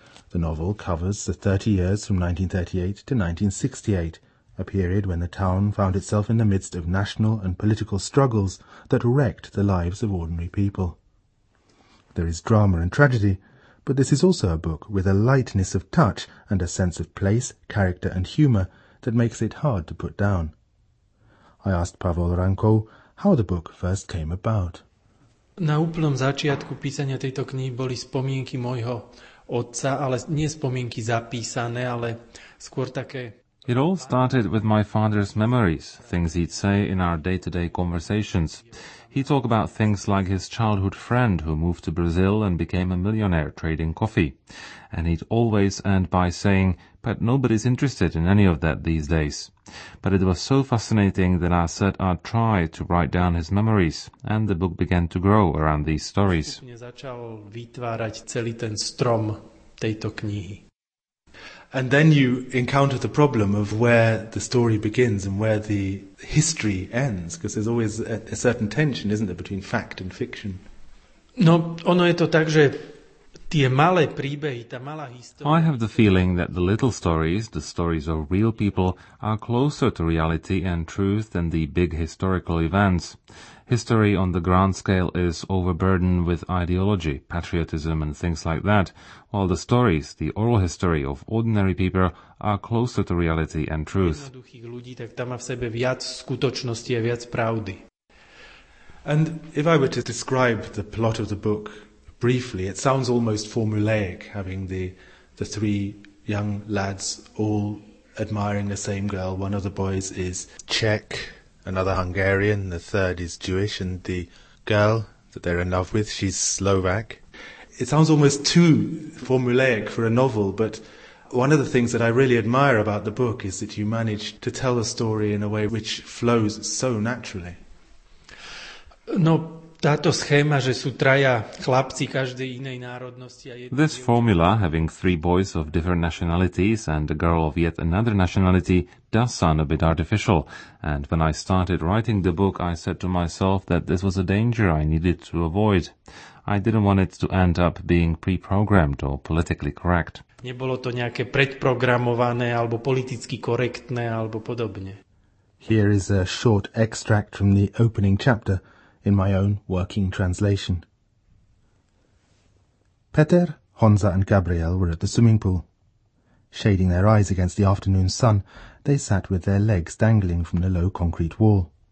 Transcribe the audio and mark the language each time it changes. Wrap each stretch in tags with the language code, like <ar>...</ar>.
<en>The novel covers the 30 years from 1938 to 1968, a period when the town found itself in the midst of national and political struggles that wrecked the lives of ordinary people. There is drama and tragedy, but this is also a book with a lightness of touch and a sense of place, character and humour that makes it hard to put down. I asked Pavol Ranko how the book first came about.</en> <sk>Na úplnom začiatku písania tejto knihy boli spomienky mojho otca, ale nie spomienky zapísané, ale skôr také.</sk> <en>It all started with my father's memories, things he'd say in our day-to-day conversations. He'd talk about things like his childhood friend who moved to Brazil and became a millionaire trading coffee. And he'd always end by saying, "But nobody's interested in any of that these days." But it was so fascinating that I said I'd try to write down his memories, and the book began to grow around these stories.</en> <sk>Začal vytvárať celý ten strom tejto knihy.</sk> <en>And then you encounter the problem of where the story begins and where the history ends, because there's always a certain tension, isn't there, between fact and fiction.</en> <sk>No, ono je to tak, že tie malé príbehy, tá malá história.</sk> <en>I have the feeling that the little stories, the stories of real people, are closer to reality and truth than the big historical events. History on the grand scale is overburdened with ideology, patriotism and things like that, while the stories, the oral history of ordinary people, are closer to reality and truth.</en> <sk>Jednoduchých ľudí, tak tam má v sebe viac skutočnosti a viac pravdy.</sk> <en>And if I were to describe the plot of the book briefly, it sounds almost formulaic, having the three young lads all admiring the same girl. One of the boys is Czech, another Hungarian, the third is Jewish, and the girl that they're in love with, she's Slovak. It sounds almost too formulaic for a novel, but one of the things that I really admire about the book is that you manage to tell a story in a way which flows so naturally.</en> <sk>No, táto schéma, že sú traja chlapci každej inej národnosti a jedna.</sk> <en>This formula, having three boys of different nationalities and a girl of yet another nationality, does sound a bit artificial. And when I started writing the book, I said to myself that this was a danger I needed to avoid. I didn't want it to end up being pre-programmed or politically correct.</en> <sk>Nebolo to nejaké predprogramované alebo politicky korektné alebo podobne.</sk> <en>Here is a short extract from the opening chapter in my own working translation. Peter, Honza and Gabriel were at the swimming pool. Shading their eyes against the afternoon sun, they sat with their legs dangling from the low concrete wall.</en>